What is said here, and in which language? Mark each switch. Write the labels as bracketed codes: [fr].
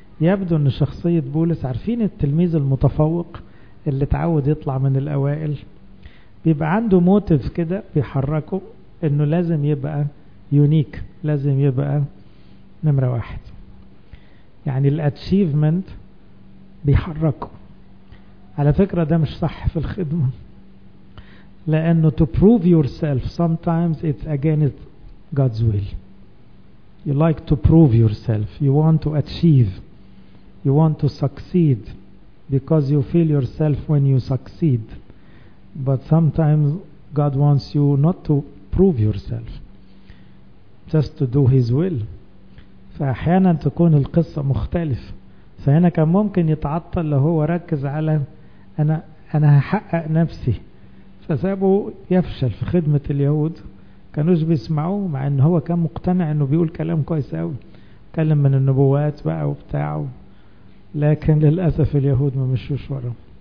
[ar] يبدو أن شخصية بولس، عارفين التلميذ المتفوق اللي تعود يطلع من الأوائل، بيبقى عنده موتيف كده بيحركه أنه لازم يبقى يونيك، لازم يبقى نمرة واحد، يعني الأتشيفمنت بيحركه. على فكرة ده مش صح في الخدمة، لأنه [en] to prove yourself sometimes it's against God's will. You like to prove yourself, you want to achieve. you want to succeed because you feel yourself when you succeed. But sometimes God wants you not to prove yourself, just to do His will. [ar] فأحيانا تكون القصة مختلف. فهنا كان ممكن يتعطل لو هو ركز على أنا هحقق نفسي، فسابه يفشل في خدمة اليهود. كانوش بيسمعوه مع أنه هو كان مقتنع أنه بيقول كلام كويس أوي، كلم من النبوات بقى وبتاعه، لكن للأسف اليهود ما مشوش وراه.